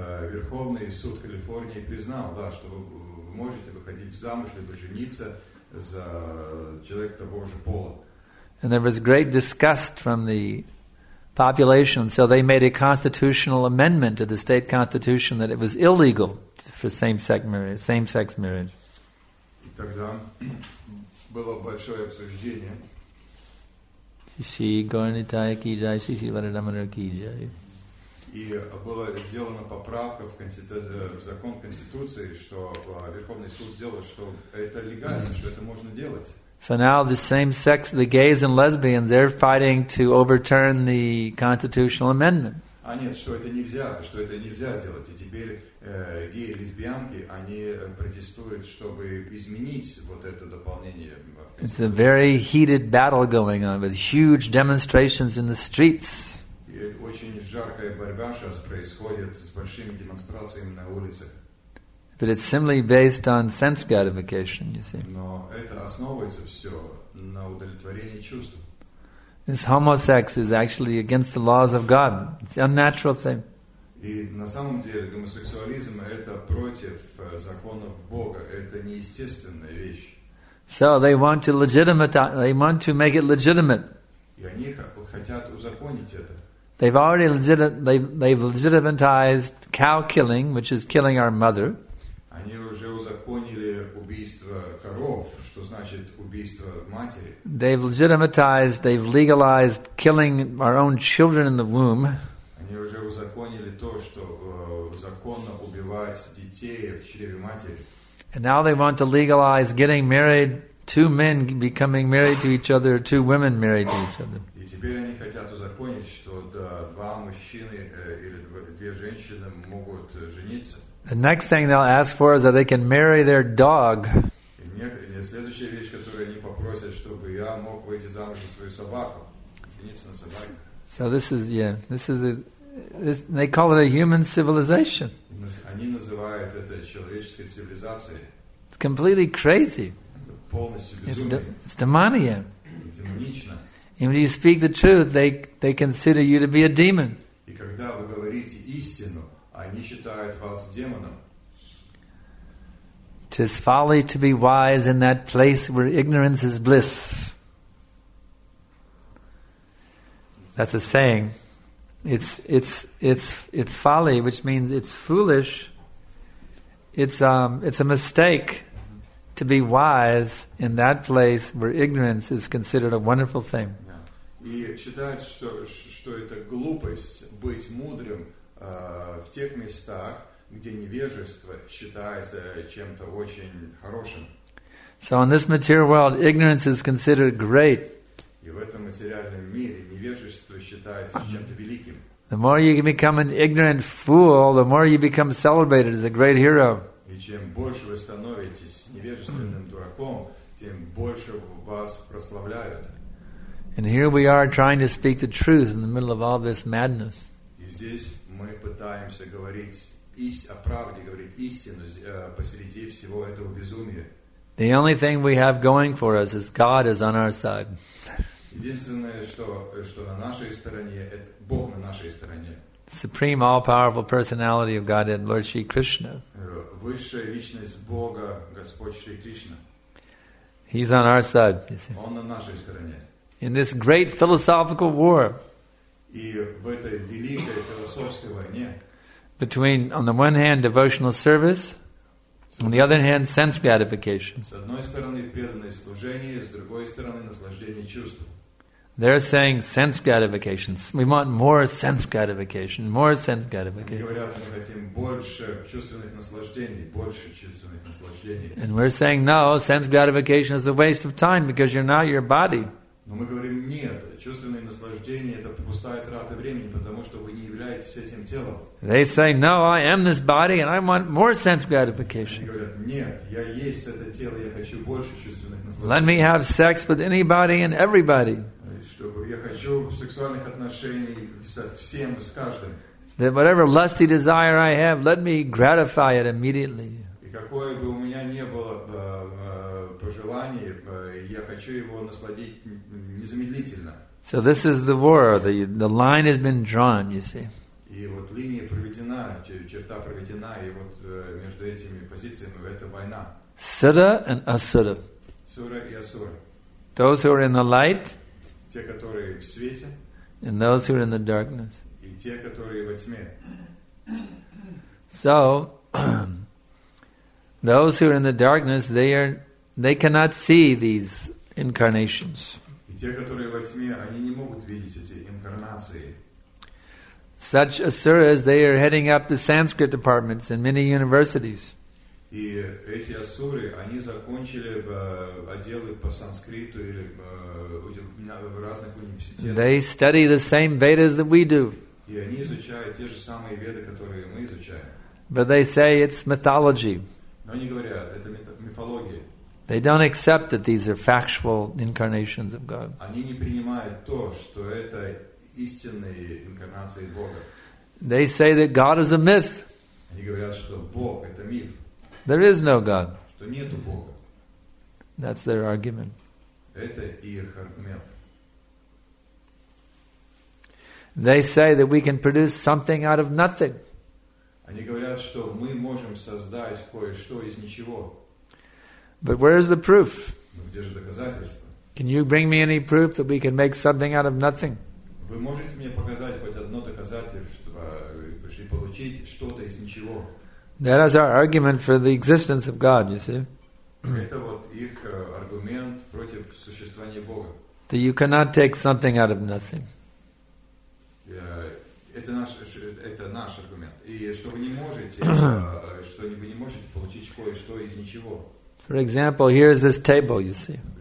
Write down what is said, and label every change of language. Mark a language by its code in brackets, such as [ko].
[ru] Верховный суд Калифорнии признал, да, что вы можете выходить замуж либо жениться за человека того же пола. [en] And there was great disgust from the population, so they made a constitutional amendment to the state constitution that it was illegal for same-sex marriage. [ru] И тогда было большое обсуждение. Си Горнитая Киджай, Си Сиварадамара Киджай. И была сделана поправка в закон Конституции, что Верховный суд сделал, что это легально, что это можно делать. [en] So now the same sex, the gays and lesbians, they're fighting to overturn the constitutional amendment. [ru] А нет, что это нельзя сделать. И теперь геи и лесбиянки, они протестуют, чтобы изменить вот это дополнение. [en] It's a very heated battle going on with huge demonstrations in the streets. [ru] И очень жаркая борьба сейчас происходит с большими демонстрациями на улице. [en] But it's simply based on sense gratification, you see. [ru] Но это основывается все на удовлетворении чувств. [en] This homosex is actually against the laws of God. It's an unnatural thing. [ru] И на самом деле гомосексуализм это против законов Бога. Это неестественная вещь. [en] So they want to legitimize. They want to make it legitimate. [ru] И они хотят узаконить это. [en] They've already legitimized cow killing, which is killing our mother. [ru] Они уже узаконили убийство коров, что значит убийство матери. [en] They've legalized killing our own children in the womb. [ru] Они уже узаконили то, что законно убивать детей в чреве матери. [en] And now they want to legalize getting married, two men becoming married to each other, two women married to each other. [ru] И теперь они хотят узаконить, что два мужчины или две женщины могут жениться. [en] The next thing they'll ask for is that they can marry their dog. [ru] Следующая вещь, которую они попросят, чтобы я мог выйти замуж за свою собаку, жениться на собаке. [en] So this is, yeah, this is a, this, they call it a human civilization. [ru] Они называют это человеческой цивилизацией. [en] It's completely crazy. [ru] Полностью безумие. [en] It's demonia. [ru] Демонично. [en] And when you speak the truth, they consider you to be a demon. [ru] И когда вы говорите истину, они считают вас демоном. [en] 'Tis folly to be wise in that place where ignorance is bliss. That's a saying. It's folly, which means it's foolish. It's a mistake to be wise in that place where ignorance is considered a wonderful thing. [ru] Yeah. И считают, что это глупость быть мудрым. В тех местах, где невежество считается чем-то очень хорошим. [en] So in this material world, ignorance is considered great. [ru] И в этом материальном мире невежество считается чем-то великим. [en] The more you can become an ignorant fool, the more you become celebrated as a great hero. [ru] И чем больше вы становитесь невежественным дураком, тем больше вас прославляют. [en] And here we are trying to speak the truth in the middle of all this madness. [ru] И здесь мы пытаемся говорить о правде, говорить истину посреди всего этого безумия. [en] The only thing we have going for us is God is on our side. [ru] Единственное, что на нашей стороне, это Бог на нашей стороне. [en] Supreme all-powerful personality of Godhead, Lord Shri Krishna. [ru] Высшая личность Бога, Господь Шри Кришна. [en] He's on our side. [ru] Он на нашей стороне. [en] In this great philosophical war. [ru] И в этой великой философской войне. [en] Between, on the one hand, devotional service, on the other hand, sense gratification. [ru] С одной стороны, преданное служение, с другой стороны, наслаждение чувств. [en] They're saying sense gratification. We want more sense gratification, more sense gratification. [ru] Они говорят, мы хотим больше чувственных наслаждений, больше чувственных наслаждений. [en] And we're saying, no, sense gratification is a waste of time because you're not your body. [ru] Но мы говорим, нет, чувственные наслаждения – это пустая трата времени, потому что вы не являетесь этим телом. [en] They say, no, I am this body, and I want more sense gratification. [ru] Они говорят, нет, я есть это тело, я хочу больше чувственных наслаждений. [en] Let me have sex with anybody and everybody. [ru] Чтобы я хочу сексуальных отношений со всем, с каждым. [en] That whatever lusty desire I have, let me gratify it immediately. [ru] И какое бы у меня ни было пожелание, я хочу его насладить незамедлительно. [en] So this is the war. The line has been drawn, you see. [ru] И вот линия проведена, черта проведена, и вот между этими позициями это война. [en] Сура and Асура. [ru] Сура и Асура. [en] Those who are in the light. [ru] Те, которые в свете. [en] And those who are in the darkness. [ru] И те, которые во тьме. [en] So, those who are in the darkness, they are They cannot see these incarnations. [ru] Те, которые во тьме, они не могут видеть эти инкарнации. [en] Such asuras, they are heading up the Sanskrit departments in many universities. [ru] И эти асуры, они закончили отделы по санскриту или в разных университетах. [en] They study the same Vedas that we do. [ru] И они изучают те же самые Веды, которые мы изучаем. [en] But they say it's mythology. [ru] Но они говорят, это мифология. [en] They don't accept that these are factual incarnations of God. [ru] Они не принимают то, что это истинные инкарнации Бога. [en] They say that God is a myth. [ru] Они говорят, что Бог это миф. [en] There is no God. [ru] Что нету Бога. [en] That's their argument. [ru] Это их аргумент. [en] They say that we can produce something out of nothing. [ru] Они говорят, что мы можем создать кое-что из ничего. [en] But where is the proof? [ru] Где же доказательства? [en] Can you bring me any proof that we can make something out of nothing? [ru] Вы можете мне показать хоть одно доказательство, чтобы получить что-то из ничего? [en] That is our argument for the existence of God, you see. [ru] Это вот их аргумент против существования Бога. [en] That you cannot take something out of nothing. [ru] Это наш аргумент. И что вы не можете, получить кое-что из ничего. [en] For example, here is this table, you see.